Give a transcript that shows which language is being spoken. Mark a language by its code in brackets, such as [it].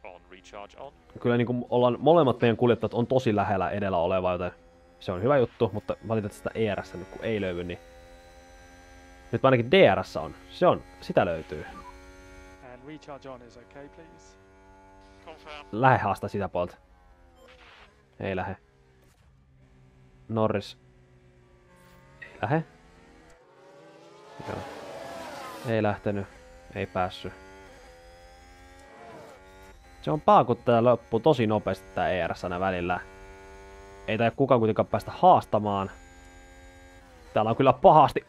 [en] Recharge on. [fi] Kyllä niin kuin ollaan molemmat meidän kuljettajat on tosi lähellä edellä olevaa, joten se on hyvä juttu, mutta valitettavasti sitä ERS:ää nyt kun ei löydy, niin nyt ainakin DRS on. Se on, sitä löytyy. [en] And recharge on is okay, please. [fi] Lähe haasta sitä puolta. Ei lähe. Norris. Ei lähe. Joo. Ei lähtenyt. Ei päässyt. Se on paha, kun tää loppuu tosi nopeasti tää ERS:nä välillä. Ei tää kukaan kuitenkaan päästä haastamaan. Täällä on kyllä pahasti.